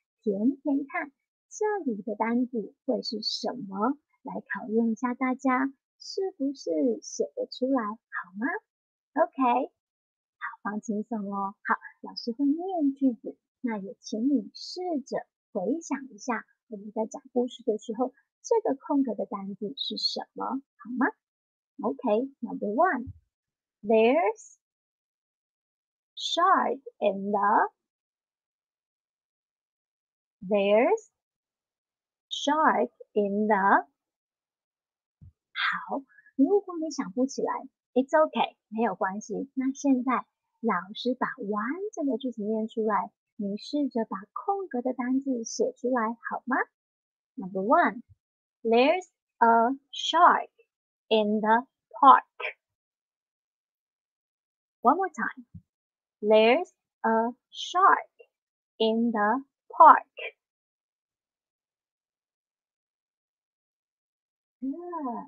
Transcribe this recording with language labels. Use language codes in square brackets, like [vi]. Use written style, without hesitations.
[zh] 填填看这里的单子会是什么，来考验一下大家是不是写得出来好吗？ OK, 好，放轻松哦。好，老师会念句子，那也请你试着回想一下我们在讲故事的时候这个空格的单子是什么好吗？ [en] OK, number one, there's shark in theThere's shark in the... [zh] 好，如果你想不起来 , [en] it's okay, [zh] 没有关系。那现在老师把完整的句子念出来，你试着把空格的单字写出来好吗？ [en] Number one, there's a shark in the park. One more time, there's a shark in the park.